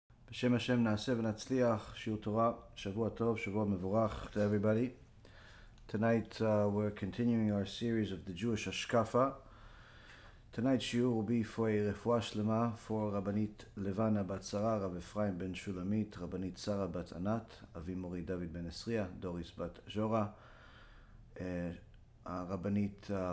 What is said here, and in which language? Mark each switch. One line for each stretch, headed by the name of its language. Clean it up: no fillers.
Hebrew: בשם השם נעשה ונצליח, שיעור תורה, שבוע טוב, שבוע מבורך
English: to everybody. Tonight we're continuing our series of the Jewish Ashkafa. Tonight's שיעור will be for a רפואה שלמה for רבנית לבנה בת שרה, רב אפרים בן שולמית, רבנית שרה בת ענת, אבי מורי דוד בן עשריה, דוריס בת ז'ורה, הרבנית